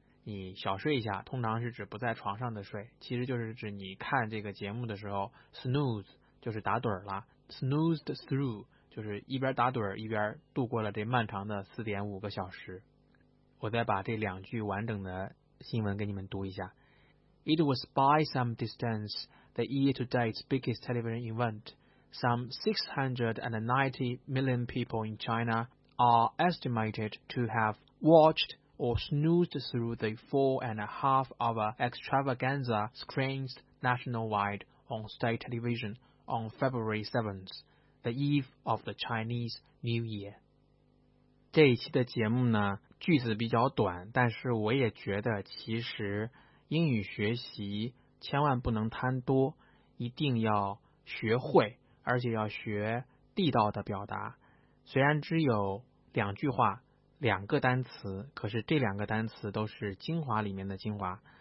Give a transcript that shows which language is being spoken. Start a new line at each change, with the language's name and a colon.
Chinese: 你小睡一下通常是指不在床上的睡，其实就是指你看这个节目的时候 snooze 就是打盹儿了。
English: Snoozed through
Chinese: 就是一边打盹一边度过了这漫长的 4.5 个小时。我再把这两句完整的新闻给你们读一下。
English: It was by some distance the year to date's biggest television event. Some 690 million people in China are estimated to have watched or snoozed through the 4.5-hour extravaganza screened nationwide on state televisionOn February 7th, the eve of the Chinese New Year.
Chinese: 这一期的节目呢，句子比较短，但是我也觉得其实英语学习千万不能贪多，一定要学会，而且要学地道的表达。虽然只有两句话，两个单词，可是这两个单词都是精华里面的精华。